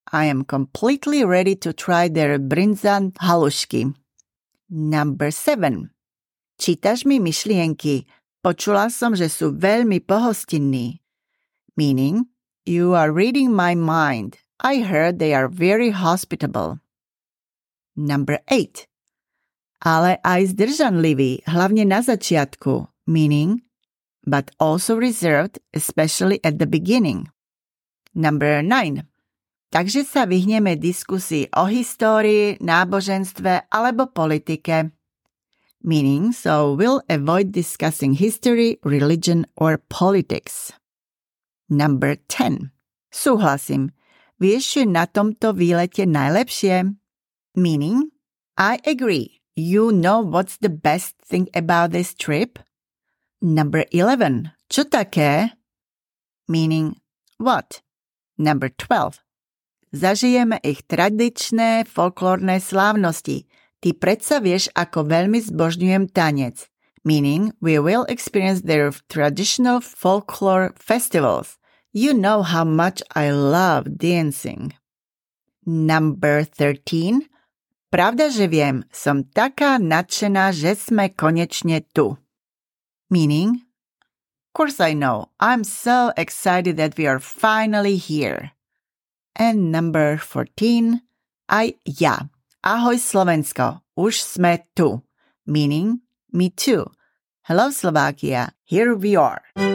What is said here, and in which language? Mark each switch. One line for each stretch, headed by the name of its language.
English: I am completely ready to try their brinzan halušky. Number 7.
Slovak: Čítaš mi myšlienky. Počula som, že sú veľmi pohostinní.
English: Meaning, you are reading my mind. I heard they are very hospitable.
Slovak: Number 8. Ale aj zdržanlivý, hlavne na začiatku.
English: Meaning, but also reserved, especially at the beginning. Number 9.
Slovak: Takže sa vyhneme diskusii o histórii, náboženstve alebo politike.
English: Meaning, so we'll avoid discussing history, religion or politics. Number 10.
Slovak: Súhlasím. Vieš, čo je na tomto výlete najlepšie?
English: Meaning, I agree. You know what's the best thing about this trip? Number 11.
Slovak: Čo také?
English: Meaning, what? Number 12.
Slovak: Zažijeme ich tradičné folklórne slávnosti. Ty predsa vieš, ako veľmi zbožňujem tanec.
English: Meaning, we will experience their traditional folklore festivals. You know how much I love dancing. Number 13.
Slovak: Pravda, že viem, som taká nadšená, že sme konečne tu.
English: Meaning, of course I know. I'm so excited that we are finally here. And number 14,
Slovak: aj ja. Ahoj Slovensko, už sme tu.
English: Meaning, me too. Hello Slovakia, here we are.